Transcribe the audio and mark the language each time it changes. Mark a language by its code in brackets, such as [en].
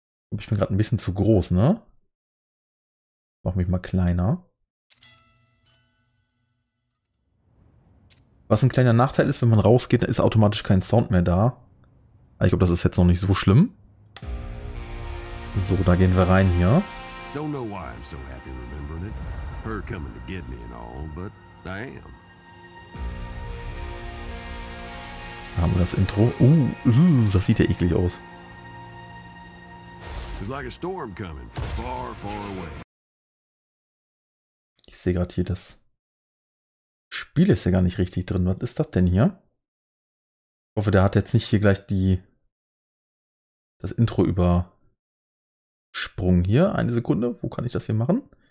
[de] Ich bin gerade ein bisschen zu groß, ne? Mach mich mal kleiner. Was ein kleiner Nachteil ist, wenn man rausgeht, ist automatisch kein Sound mehr da. Ich glaube, das ist jetzt noch nicht so schlimm. So, da gehen wir rein hier. [en] Don't know why I'm so happy remembering it. Her coming to get me and all, but I am. [de] Da haben wir das Intro. Das sieht ja eklig aus. [en] It's like a storm coming from far, far away. [de] Ich sehe gerade hier, das Spiel ist ja gar nicht richtig drin. Was ist das denn hier? Ich hoffe, der hat jetzt nicht hier gleich das Intro über. Sprung hier, eine Sekunde, wo kann ich das hier machen?